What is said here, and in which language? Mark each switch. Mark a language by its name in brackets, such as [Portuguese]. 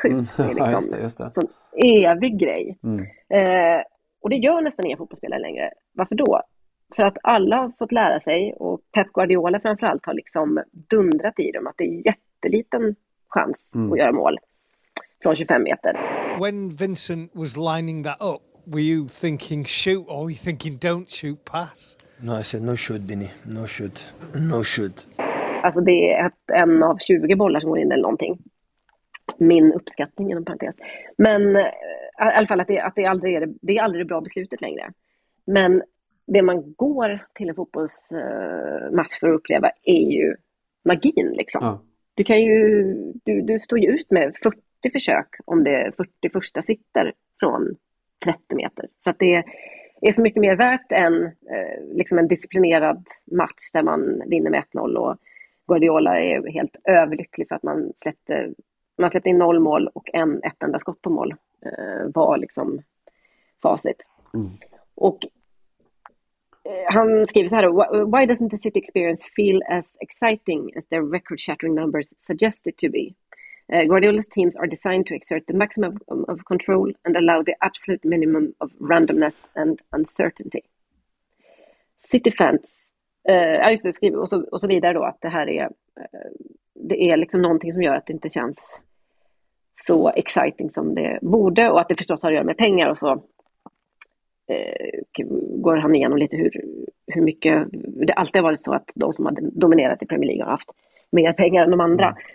[Swedish] Liksom, just det. Sån evig grej. Mm. Och det gör nästan inga fotbollsspelare längre. Varför då? För att alla har fått lära sig, och Pep Guardiola framförallt har liksom dundrat i dem att det är jätteliten chans att göra mål från 25 meter. [English] When Vincent was lining that up, were you thinking shoot or were you thinking don't shoot pass? No, I said no shoot, Benny. No shoot. No shoot. [Swedish] Alltså det är en av 20 bollar som går in eller någonting. Min uppskattning genom parentes. Men i alla fall att det aldrig är bra beslutet längre. Men det man går till en fotbollsmatch för att uppleva är ju magin liksom. Ja. Du kan ju, du står ju ut med 40 försök om det 41:a sitter från 30 meter. För att det är så mycket mer värt än liksom en disciplinerad match där man vinner med 1-0 och Guardiola är helt överlycklig för att man släppte in 0 mål och ett enda skott på mål var liksom facit. Och han skriver så här: [English] why doesn't the City experience feel as exciting as their record-shattering numbers suggest it to be? Guardiola's teams are designed to exert the maximum of control and allow the absolute minimum of randomness and uncertainty. [Swedish] City fans, just det, skriver och så vidare då, att det här är det är liksom någonting som gör att det inte känns så exciting som det borde, och att det förstås har att göra med pengar, och så går han igenom lite hur mycket det alltid har varit så att de som hade dominerat i Premier League har haft mer pengar än de andra.